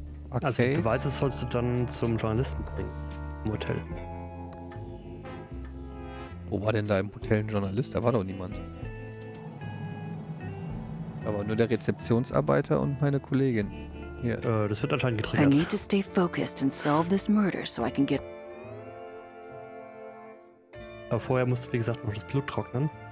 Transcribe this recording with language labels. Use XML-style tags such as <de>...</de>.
<de>Okay. Also, die Beweise sollst du dann zum Journalisten bringen. Im Hotel. Wo war denn da im Hotel ein Journalist? Da war doch niemand. Da war nur der Rezeptionsarbeiter und meine Kollegin. Hier. Das wird anscheinend getriggert.</de> <en>I need to stay focused and solve this murder so I can get.</en> <de>Aber vorher musst du, wie gesagt, noch das Blut trocknen.</de>